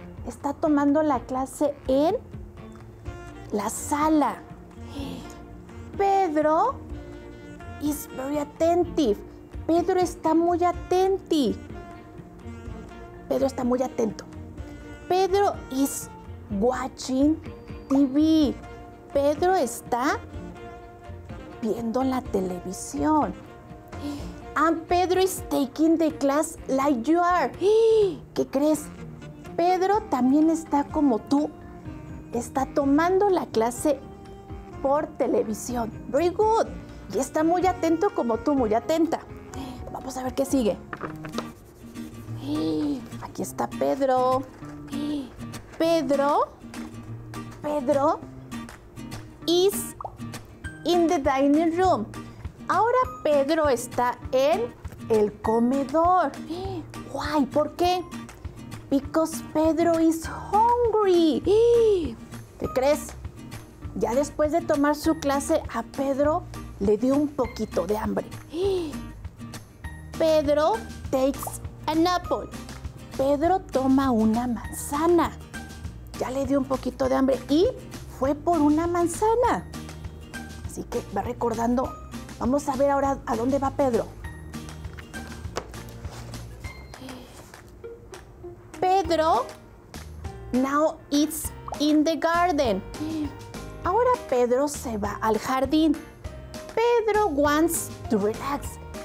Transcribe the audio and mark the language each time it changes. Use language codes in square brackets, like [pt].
[es] Está tomando la clase en la sala. [en] Pedro is very attentive. [es] Pedro está muy atento. Pedro está muy atento. [en] Pedro is watching TV. [es] Pedro está viendo la televisión. [en] And Pedro is taking the class like you are. [es] ¿Qué crees? Pedro también está como tú. Está tomando la clase por televisión. [en] Very good. [es] Y está muy atento como tú, muy atenta. Vamos a ver qué sigue. Aquí está Pedro. [en] Pedro is in the dining room. [es] Ahora Pedro está en el comedor. [en] Why? [es] ¿Por qué? [en] Because Pedro is hungry. [es] ¿Qué crees? Ya después de tomar su clase, a Pedro le dio un poquito de hambre. [en] Pedro takes an apple. [es] Pedro toma una manzana. Ya le dio un poquito de hambre y fue por una manzana. Así que va recordando. Vamos a ver ahora a dónde va Pedro. [en] Pedro now is in the garden. [es] Ahora Pedro se va al jardín. [en] Pedro wants to relax.